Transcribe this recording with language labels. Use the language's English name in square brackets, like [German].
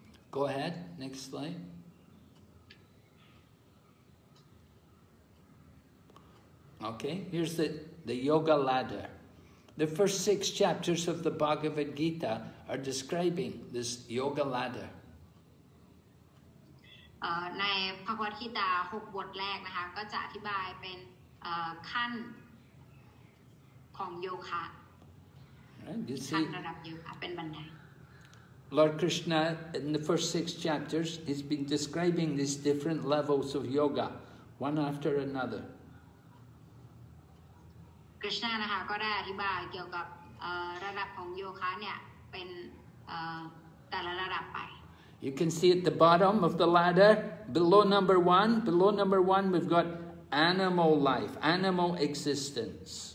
[English] Go ahead, next slide. Okay, here's the yoga ladder. The first six chapters of the Bhagavad Gita are describing this yoga ladder. [Thai] ในพระพุทธกิตา6บทแรกนะคะก็จะอธิบายเป็นขั้นของโยคะ [English] right, you see, [Thai] ขั้นระดับโยคะเป็นบันได [English] Lord Krishna in the first six chapters he's been describing these different levels of yoga one after another [Thai] คริสนานะคะก็ได้อธิบายเกี่ยวกับระดับของโยคะเนี่ยเป็นแต่ละระดับไป [English] You can see at the bottom of the ladder, below number one, we've got animal life, animal existence.